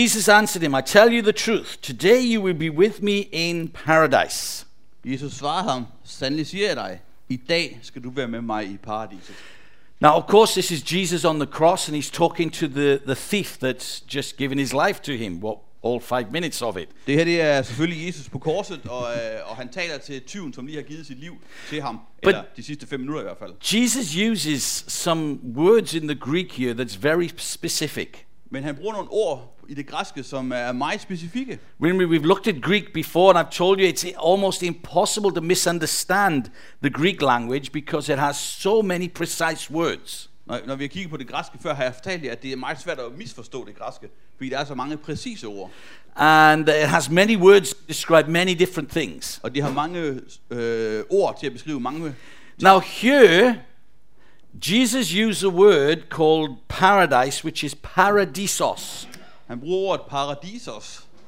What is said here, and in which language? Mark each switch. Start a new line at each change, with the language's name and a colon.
English: Jesus answered him, I tell you the truth, today you will be with me in paradise.
Danish: Jesus svarede ham, sandelig siger jeg dig, i dag skal du være med mig i paradiset.
English: Now of course this is Jesus on the cross and he's talking to the thief that's just given his life to him. What, all 5 minutes of it?
Danish: Det her det er selvfølgelig Jesus på korset og han taler til tyven som lige har givet sit liv til ham.
English: But
Danish: eller de sidste 5 minutter i hvert fald.
English: Jesus uses some words in the Greek here that's very specific.
Danish: Men han bruger nogle ord i det græske som er meget specifikke.
English: We've looked at Greek before and I've told you it's almost impossible to misunderstand the Greek language because it has so many precise words.
Danish: Når vi har kigget på det græske før, har jeg fortalt jer, at det er meget svært at misforstå det græske, fordi der er så mange præcise ord.
English: And it has many words to describe many different things.
Danish: Og det har mange ord til at beskrive mange.
English: Now here, Jesus used a word called paradise, which is paradisos.
Danish: Han bruger ordet paradisos.